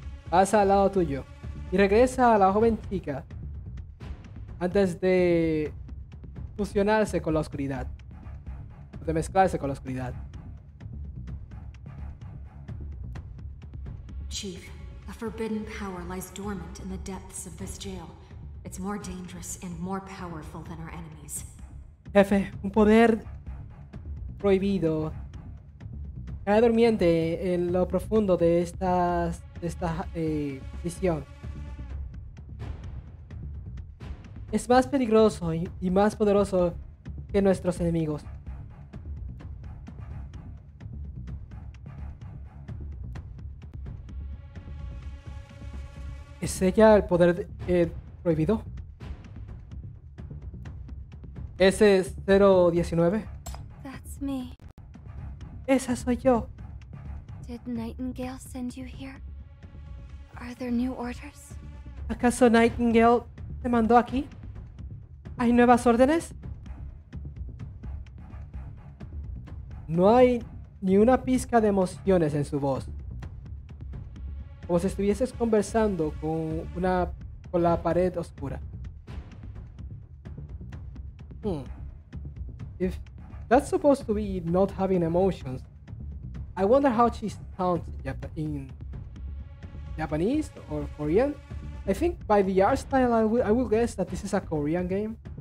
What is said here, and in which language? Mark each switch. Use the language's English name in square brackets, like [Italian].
[Spanish] Pasa al lado tuyo y regresa a la joven chica antes de fusionarse con la oscuridad, de mezclarse con la oscuridad. [English] Chief, a forbidden power lies dormant in the depths of this jail. It's more dangerous and more powerful than our enemies. [Spanish] Jefe, un poder prohibido cae durmiente en lo profundo de esta prisión. Es más peligroso y más poderoso que nuestros enemigos. ¿Es ella el poder prohibido? ¿Ese 019? [English] That's me. [Spanish] Esa soy yo. [English] Did Nightingale send you here? Are there new orders? [Spanish] ¿Acaso Nightingale te mandó aquí? ¿Hay nuevas órdenes? No hay ni una pizca de emociones en su voz. Como si estuvieses conversando con la pared oscura. [English] If that's supposed to be not having emotions, I wonder how she sounds in Japanese or Korean. I think by the art style, I will guess that this is a Korean game.